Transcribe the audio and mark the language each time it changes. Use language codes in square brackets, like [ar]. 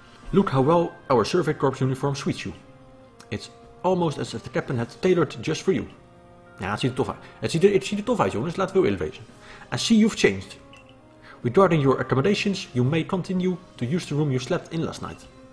[en] Look how well our Survey Corps uniform suits you. It's almost as if the captain had tailored just for you. [nl] Ja, het ziet er tof uit. Het ziet er tof uit, jongens. Laten we wel eerlijk wezen. [en] I see you've changed. Regarding your accommodations, you may continue to use the room you slept in last night.